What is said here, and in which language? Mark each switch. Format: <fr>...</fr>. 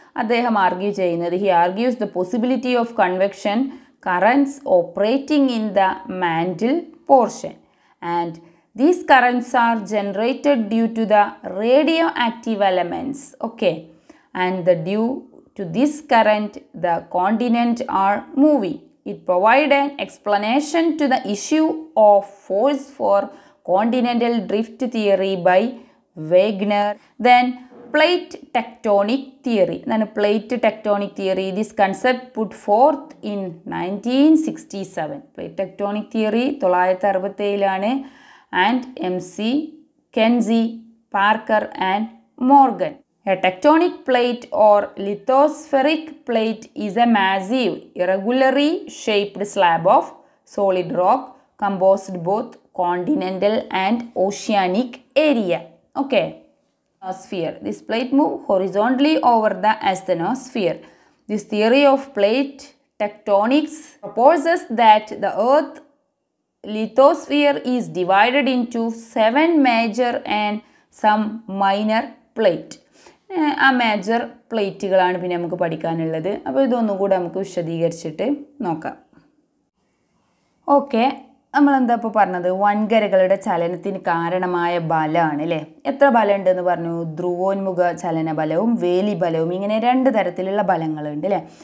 <ml>അദ്ദേഹം ആർഗ്യൂ ചെയ്യുന്നത്,</ml> <en>He argues the possibility of convection currents operating in the mantle portion and these currents are generated due to the radioactive elements. Okay, and the due to this current the continent are moving. It provided an explanation to the issue of force for continental drift theory by Wegener. Then plate tectonic theory. Then plate tectonic theory, this concept put forth in 1967. Plate tectonic theory 1967 and M.C. Kenzie, Parker and Morgan. A tectonic plate or lithospheric plate is a massive, irregularly shaped slab of solid rock composed both continental and oceanic area. Okay. Asthenosphere. This plate moves horizontally over the asthenosphere. This theory of plate tectonics proposes that the Earth lithosphere is divided into 7 major and some minor plate.</en> <ml>ആ major പ്ലേറ്റുകളാണ് പിന്നെ നമുക്ക് പഠിക്കാനുള്ളത്. അപ്പോൾ ഇതൊന്നും കൂടെ നമുക്ക് വിശദീകരിച്ചിട്ട് നോക്കാം. Okay, നമ്മളെന്താ ഇപ്പോൾ പറഞ്ഞത്? വൻകരകളുടെ ചലനത്തിന് കാരണമായ ബലമാണ് അല്ലേ. എത്ര ബലമുണ്ടെന്ന് പറഞ്ഞു? ധ്രുവോന്മുഖ ചലന ബലവും വേലി ബലവും, ഇങ്ങനെ രണ്ട് തരത്തിലുള്ള ബലങ്ങളുണ്ട് അല്ലേ.</ml>